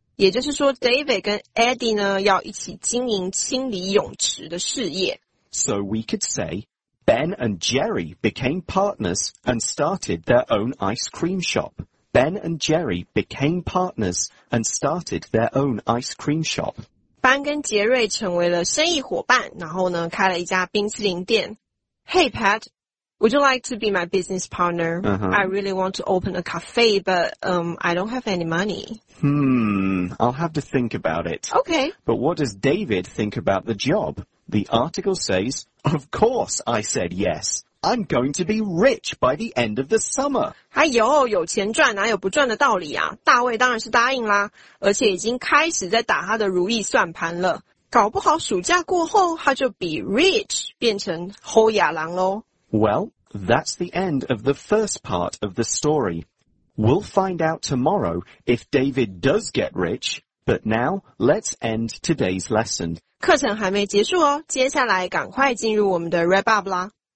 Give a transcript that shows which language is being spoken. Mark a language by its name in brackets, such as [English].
[Chinese] 也就是说 David 跟 Eddie 呢要一起经营清理泳池的事业。 [English] So we could say, Ben and Jerry became partners and started their own ice cream shop. Ben and Jerry became partners and started their own ice cream shop. [Chinese] Ben 跟杰瑞成为了生意伙伴，然后呢开了一家冰淇淋店。 [English] Hey Pat, would you like to be my business partner? I really want to open a cafe, but I don't have any money. I'll have to think about it. Okay. But what does David think about the job? The article says, of course I said yes. I'm going to be rich by the end of the summer. [Chinese] 哎呦，有钱赚哪有不赚的道理啊？大卫当然是答应啦，而且已经开始在打他的如意算盘了。搞不好暑假过后，他就 be rich, 变成侯亚郎咯。 [English] Well, that's the end of the first part of the story. We'll find out tomorrow if David does get rich, but now let's end today's lesson. [Chinese] 课程还没结束哦，接下来赶快进入我们的 wrap up 啦。